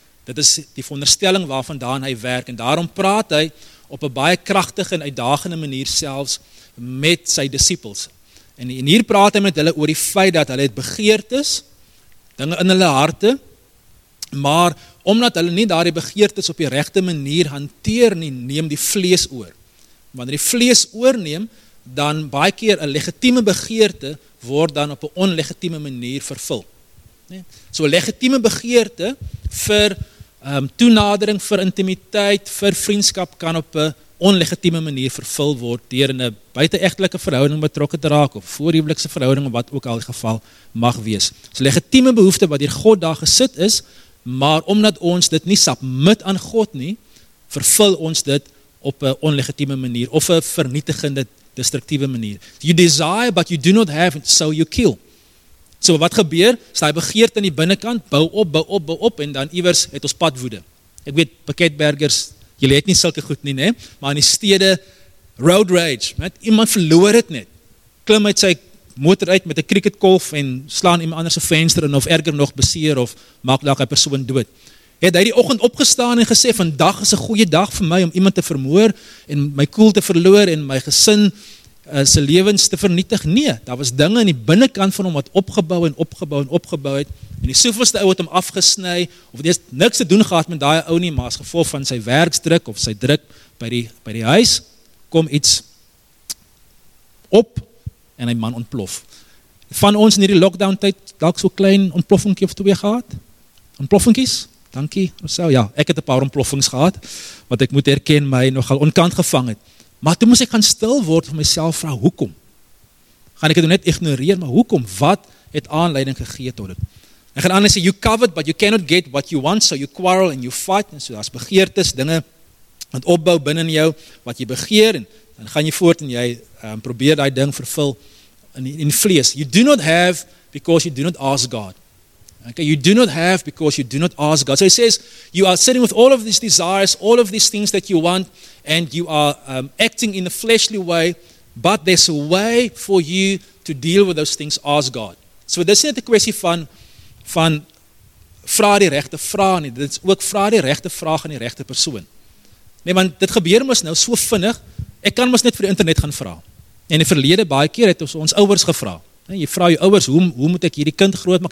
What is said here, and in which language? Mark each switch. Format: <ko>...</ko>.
<af>Dit is die veronderstelling waarvandaan hy werk. En daarom praat hy op 'n baie krachtige en uitdagende manier selfs met sy disciples. En hier praat hy met hulle oor die feit dat hulle het begeertes, dinge in hulle harte, maar omdat hulle nie daardie begeertes op die regte manier hanteer nie, neem die vlees oor. Wanneer die vlees oorneem, dan baie keer een legitieme begeerte word dan op een onlegitieme manier vervul. So een legitieme begeerte vir toenadering, vir intimiteit, vir vriendskap kan op een onlegitieme manier vervul word deur in een buitenegtelike verhouding betrokke te raak of voorhuwelikse verhouding, wat ook al die geval mag wees. So legitieme behoefte wat hier God daar gesit is, maar omdat ons dit nie submit aan God nie, vervul ons dit op een onlegitieme manier of een vernietigende destructieve manier.</af> <en>You desire, but you do not have, so you kill.</en> <af>So wat gebeur, as hy begeert in die binnenkant, bou op, en dan iewers het ons padwoede. Ek weet, pakketbergers, julle het nie sulke goed nie, maar in die stede, road rage, met, iemand verloor het net, klim uit sy motor uit met 'n cricketkolf en slaan iemand anders 'n venster in, of erger nog beseer, of maak daar 'n persoon dood. Het hy die oggend opgestaan en gesê, vandag is 'n goeie dag vir my om iemand te vermoor en my koel te verloor en my gesin se lewens te vernietig? Nee, daar was dinge in die binnenkant van hom wat opgebou het, en die soveelste ou het hom afgesny, of het niks te doen gehad met daai ou nie, maar as gevolg van sy werksdruk of sy druk by die huis, kom iets op en hy man ontplof. Van ons in die lockdown tyd, dalk so klein ontploffingkie of twee gehad? Ontploffingkies? Dankie, Rousseau. Ja, ek het 'n paar ontploffings gehad, wat ek moet erken my nogal onkant gevang het. Maar toe moes ek gaan stil word van myself vra, hoekom? Gaan ek het net ignoreer, maar hoekom? Wat het aanleiding gegee tot dit? Ek gaan anders sê,</af> <en>you covet, but you cannot get what you want, so you quarrel and you fight.</en> <af>En so, daar is begeertes, dinge, wat opbou binnen jou, wat jy begeer, en dan gaan jy voort en jy probeer die ding vervul in vlees.</af> <en>You do not have because you do not ask God. Okay, you do not have because you do not ask God. So he says, you are sitting with all of these desires, all of these things that you want, and you are acting in a fleshly way, but there's a way for you to deal with those things, ask God.</en> <af>So dis net 'n kwessie van vra die regte vraag nie. Dit is ook vra die regte vraag aan die regte persoon. Nee, want dit gebeur mos nou so vinnig, ek kan mos net vir die internet gaan vra. En in die verlede baie keer het ons ouers gevra. En jy vra jou ouers, hoe moet ek hierdie kind groot maak?</af>